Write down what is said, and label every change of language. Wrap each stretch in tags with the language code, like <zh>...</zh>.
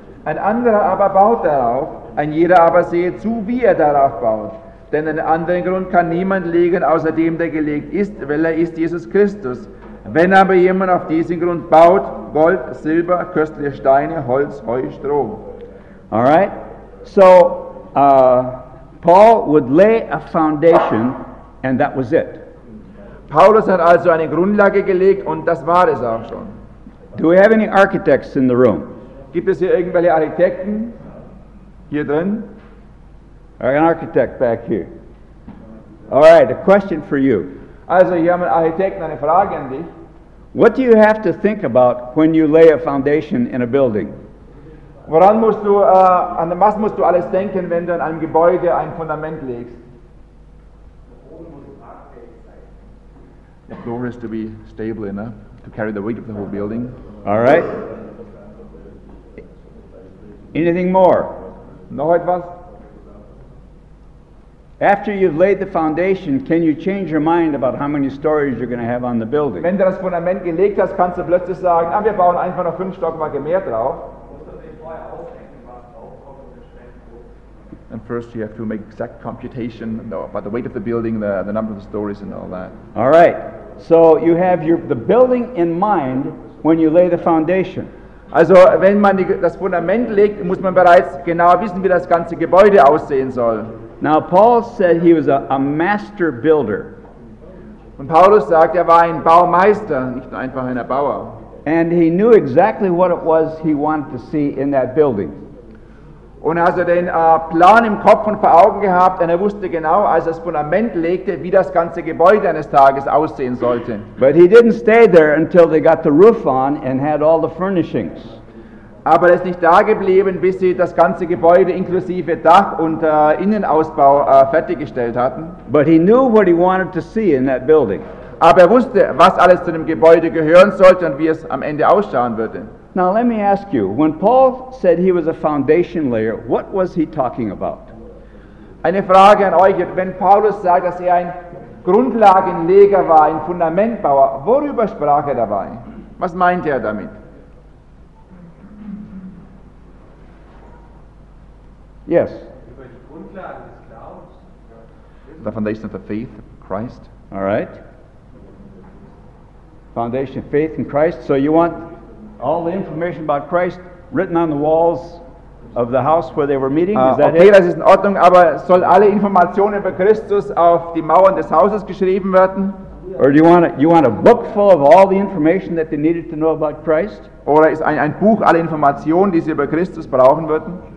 <de>Ein anderer aber baut darauf, ein jeder aber sehe zu, wie er darauf baut. Denn einen anderen Grund kann niemand legen, außer dem, der gelegt ist, weil er ist Jesus Christus. Wenn aber jemand auf diesen Grund baut, Gold, Silber, köstliche Steine, Holz, Heu, Stroh.</de> <en>Alright, so Paul would lay a foundation and that was it.</en> <de>Paulus hat also eine Grundlage gelegt und das war es auch schon.</de> <en>Do we have any architects in the room?</en> <de>Gibt es hier irgendwelche Architekten hier drin?</de> <en>An architect back here. All right, a question for you.</en> <de>Also hier haben wir einen Architekten, eine Frage an dich.</de> <en>What do you have to think about when you lay a foundation in a building?</en> <de>Woran musst du, an was musst du alles denken, wenn du an einem Gebäude ein Fundament legst?</de> <en>The floor is to be stable enough to carry the weight of the whole building. All right. Anything more?</en> <de>Noch etwas?</de> <en>After you've laid the foundation, can you change your mind about how many stories you're going to have on the building?</en> <de>Wenn du das Fundament gelegt hast, kannst du plötzlich sagen, ah, wir bauen einfach noch 5 Stockwerke mehr drauf.</de> <en>And first you have to make exact computation about the weight of the building, the number of the stories and all that. All right. So you have the building in mind when you lay the foundation.</en> <de>Also, wenn man das Fundament legt, muss man bereits genau wissen, wie das ganze Gebäude aussehen soll.</de> <en>Now Paul said he was a master builder.</en> <de>Und Paulus sagt, war ein Baumeister, nicht einfach ein Bauer.</de> <en>And he knew exactly what it was he wanted to see in that building.</en> <de>Und als er den Plan im Kopf und vor Augen gehabt, und er wusste genau, als er das Fundament legte, wie das ganze Gebäude eines Tages aussehen sollte.</de> <en>But he didn't stay there until they got the roof on and had all the furnishings.</en> <de>Aber er ist nicht da geblieben, bis sie das ganze Gebäude inklusive Dach und Innenausbau fertiggestellt hatten.</de> <en>But he knew what he wanted to see in that building.</en> <de>Aber er wusste, was alles zu dem Gebäude gehören sollte und wie es am Ende ausschauen würde.</de> <en>Now let me ask you, when Paul said he was a foundation layer, what was he talking about?</en> <de>Eine Frage an euch, wenn Paulus sagt, dass er ein Grundlagenleger war, ein Fundamentbauer, worüber sprach er dabei? Was meinte er damit?</de> <en>Yes.</en> <de>Über die Grundlagen des Glaubens.</de> <en>The foundation of the faith of Christ. All right. Foundation of faith in Christ. So you want all the information about Christ written on the walls of the house where they were meeting? Is that okay, it?</en> <de>Okay, das ist in Ordnung, aber soll alle Informationen über Christus auf die Mauern des Hauses geschrieben werden?</de> <en>Or do you want a book full of all the information that they needed to know about Christ?</en> <de>Oder ist ein Buch alle Informationen, die sie über Christus brauchen würden?</de>